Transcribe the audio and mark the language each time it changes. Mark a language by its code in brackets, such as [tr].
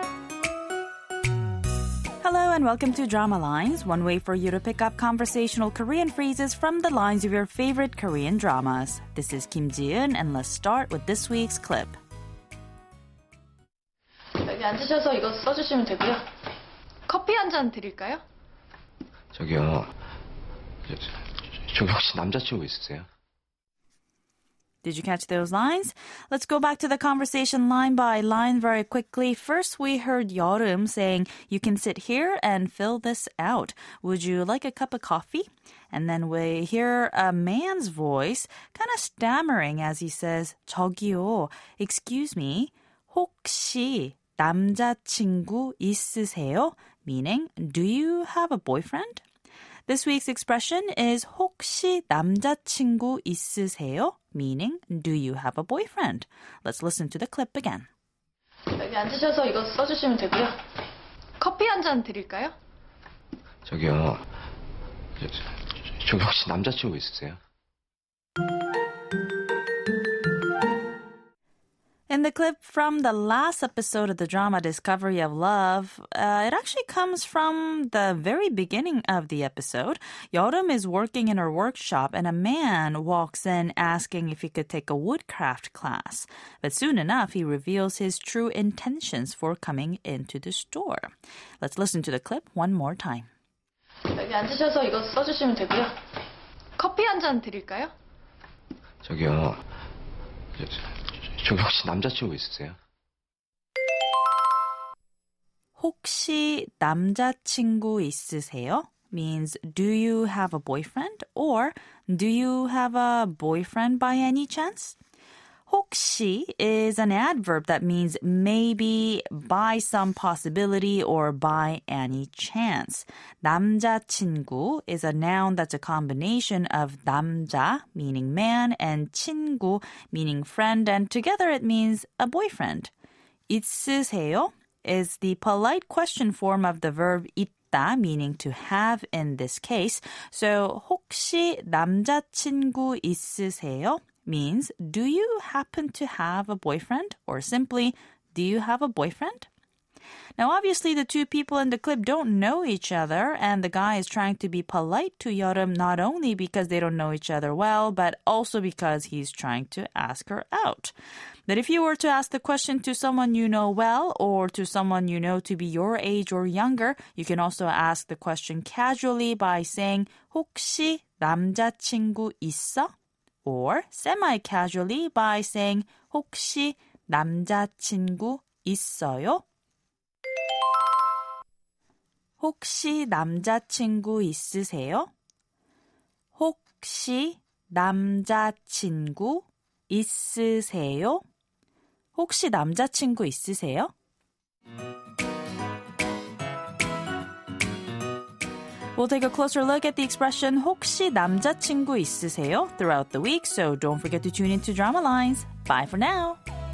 [en] Hello and welcome to Drama Lines, one way for you to pick up conversational Korean phrases from the lines of your favorite Korean dramas. This is Kim Ji-eun, and let's start with this week's clip. [ko] 여기 앉으셔서 이거 써주시면 되고요. 커피 한 잔 드릴까요? 저기요, 저기 혹시 남자친구 있으세요? [en] Did you catch those lines? Let's go back to the conversation line by line very quickly. First, we heard 여름 saying, you can sit here and fill this out. Would you like a cup of coffee? And then we hear a man's voice kind of stammering as he says, [ko] 저기요, [en] excuse me, [ko] 혹시 남자친구 있으세요? [en] Meaning, do you have a boyfriend? This week's expression is [ko] 혹시 남자친구 있으세요? [en] Meaning, do you have a boyfriend? Let's listen to the clip again. [ko] 여기 앉으셔서 이거 써주시면 되고요. 커피 한 잔 드릴까요? 저기요, 저기 혹시 남자친구 있으세요? [en] In the clip from the last episode of the drama Discovery of Love, it actually comes from the very beginning of the episode. 여름 is working in her workshop and a man walks in asking if he could take a woodcraft class. But soon enough, he reveals his true intentions for coming into the store. Let's listen to the clip one more time. [ko] 여기 앉으셔서 이거 써주시면 되고요. 커피 한 잔 드릴까요? 저기요. 저기 혹시 남자친구 있으세요? 혹시 남자친구 있으세요? [en] Means, do you have a boyfriend? Or, do you have a boyfriend by any chance? 혹시 is an adverb that means maybe, by some possibility, or by any chance. 남자친구 is a noun that's a combination of 남자, meaning man, and 친구, meaning friend, and together it means a boyfriend. 있으세요 is the polite question form of the verb 있다, meaning to have in this case. [ko] So, 혹시 남자친구 있으세요? [en] Means, do you happen to have a boyfriend? Or simply, do you have a boyfriend? Now, obviously, the two people in the clip don't know each other, and the guy is trying to be polite to Yeoreum not only because they don't know each other well, but also because he's trying to ask her out. But if you were to ask the question to someone you know well, or to someone you know to be your age or younger, you can also ask the question casually by saying, [ko] 혹시 남자친구 있어? [en] Or semi-casually by saying, [ko] 혹시 남자친구 있어요? 혹시 남자친구 있으세요? 혹시 남자친구 있으세요? 혹시 남자친구 있으세요? [en] We'll take a closer look at the expression [ko] 혹시 남자친구 있으세요 [en] throughout the week, so don't forget to tune into Drama Lines. Bye for now!